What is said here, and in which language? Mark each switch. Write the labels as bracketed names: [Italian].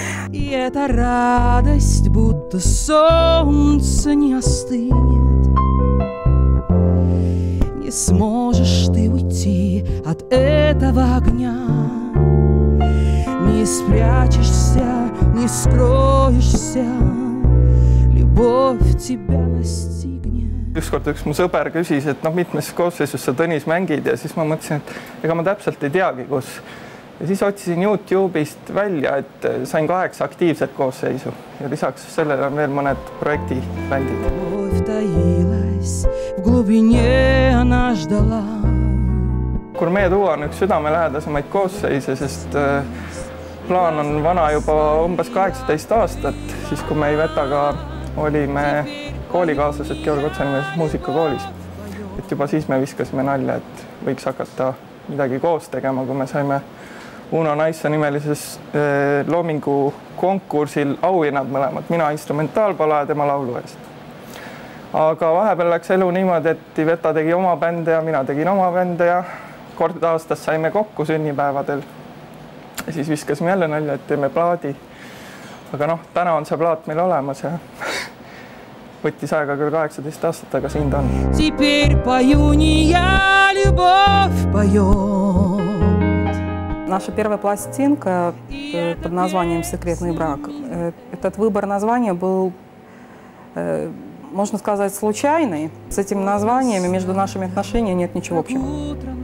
[Russian] И эта радость, будто солнце не остынет. Не сможешь ты уйти от этого огня. Не спрячешься, не скроешься, любовь тебя настигнет. [Estonian] Ükskord üks mu sõber küsis, et noh, mitmes koosseisus sa Tõnis mängid, ja siis ma mõtlesin, et ega ma täpselt ei teagi, kus. Ja siis otsisin YouTube'ist välja, et sain 8 aktiivset koosseisu. Ja lisaks sellele on veel mõned projekti bändid. [Russian] Любовь таилась в глубине она ждала. [Estonian] Gourmet Duo on üks südame lähedasemaid koosseise, sest plaan on vana juba umbes 18 aastat, siis kui me ei veta ka olime koolikaaslased Georg Otsenimes muusikakoolis. Et juba siis me viskasime nalja, et võiks hakata midagi koos tegema, kui me saime Uno Naissa nimelises loomingu konkursil auhinnad mõlemad. Mina instrumentaalpala ja tema laulu eest. Aga vahepeal läks elu niimoodi, et Iveta tegi oma bände ja mina tegin oma bände ja kord aastas saime kokku sünnipäevadel. Ja siis viskas me jälle nalja, et teeme plaadi. Aga noh, täna on see plaat meil olemas ja võttis aega küll 18 aastat, aga siin ta on. [Russian] Теперь пою не я, любовь поёт. Наша первая пластинка под названием «Секретный брак». Этот выбор названия был, можно сказать, случайный. С этими названиями между нашими отношениями нет ничего общего.